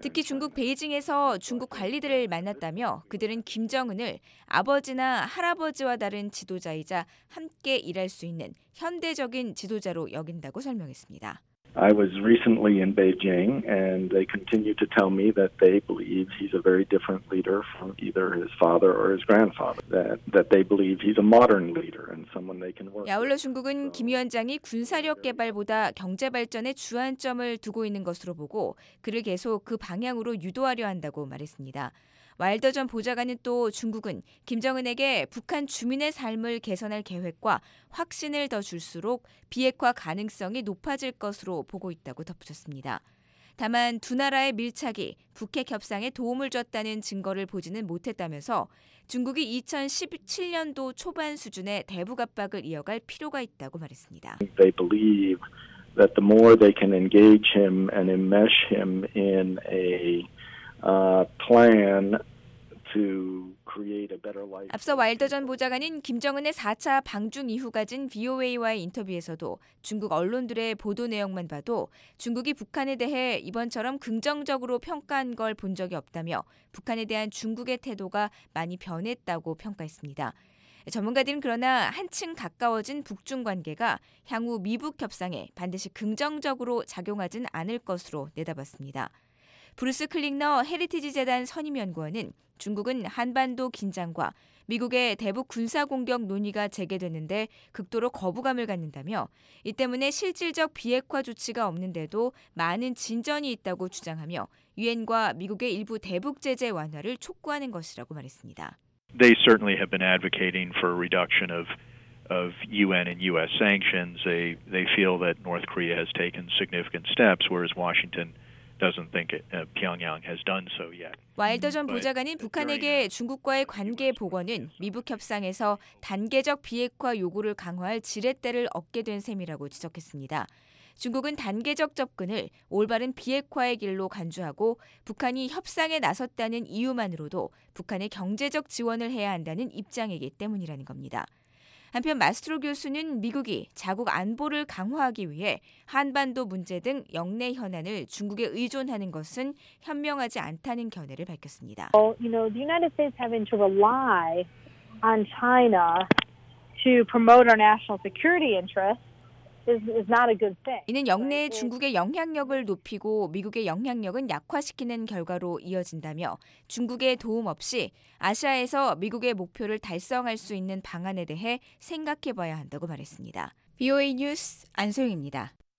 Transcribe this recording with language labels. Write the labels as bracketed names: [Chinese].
[Korean] 특히 중국 베이징에서 중국 관리들을 만났다며 그들은 김정은을 아버지나 할아버지와 다른 지도자이자 함께 일할 수 있는 현대적인 지도자로 여긴다고 설명했습니다. [English] I was recently in Beijing and they continue to tell me that they believe he's a very different leader from either his father or his grandfather that they believe he's a modern leader and someone they can work with. [Korean] 야올로 중국은 김 위원장이 군사력 개발보다 경제 발전에 주안점을 두고 있는 것으로 보고 그를 계속 그 방향으로 유도하려 한다고 말했습니다. 와일더 전 보좌관은 또 중국은 김정은에게 북한 주민의 삶을 개선할 계획과 확신을 더 줄수록 비핵화 가능성이 높아질 것으로 보고 있다고 덧붙였습니다. 다만 두 나라의 밀착이 북핵 협상에 도움을 줬다는 증거를 보지는 못했다면서 중국이 2017년도 초반 수준의 대북 압박을 이어갈 필요가 있다고 말했습니다. [English] They believe that the more they can engage him and enmesh him in a plan to create a better life. [Korean] 앞서 와일더 전 보좌관은 김정은의 4차 방중 이후 가진 VOA와의 인터뷰에서도 중국 언론들의 보도 내용만 봐도 중국이 북한에 대해 이번처럼 긍정적으로 평가한 걸 본 적이 없다며 북한에 대한 중국의 태도가 많이 변했다고 평가했습니다. 전문가들은 그러나 한층 가까워진 북중 관계가 향후 미북 협상에 반드시 긍정적으로 작용하진 않을 것으로 내다봤습니다. 브루스 클릭너 헤리티지 재단 선임연구원은 중국은 한반도 긴장과 미국의 대북 군사공격 논의가 재개되는데 극도로 거부감을 갖는다며 이 때문에 실질적 비핵화 조치가 없는데도 많은 진전이 있다고 주장하며 유엔과 미국의 일부 대북 제재 완화를 촉구하는 것이라고 말했습니다. [English] They certainly have been advocating for a reduction of UN and US sanctions. They feel that North Korea has taken significant steps, whereas Washington doesn't think it, Pyongyang has done so yet. [Korean] 와일더 전 보좌관은 북한에게 중국과의 관계 복원은 미북 협상에서 단계적 비핵화 요구를 강화할 지렛대를 얻게 된 셈이라고 지적했습니다. 중국은 단계적 접근을 올바른 비핵화의 길로 간주하고 북한이 협상에 나섰다는 이유만으로도 북한의 경제적 지원을 해야 한다는 입장이기 때문이라는 겁니다. 한편 마스트로 교수는 미국이 자국 안보를 강화하기 위해 한반도 문제 등 역내 현안을 중국에 의존하는 것은 현명하지 않다는 견해를 밝혔습니다. [English] Well, you know, the United States having to rely on China to promote our national security interests. Is not a good thing. [Korean] 이는 역내에 중국의 영향력을 높이고 미국의 영향력은 약화시키는 결과로 이어진다며 중국의 도움 없이 아시아에서 미국의 목표를 달성할 수 있는 방안에 대해 생각해봐야 한다고 말했습니다. VOA 뉴스 안소영입니다.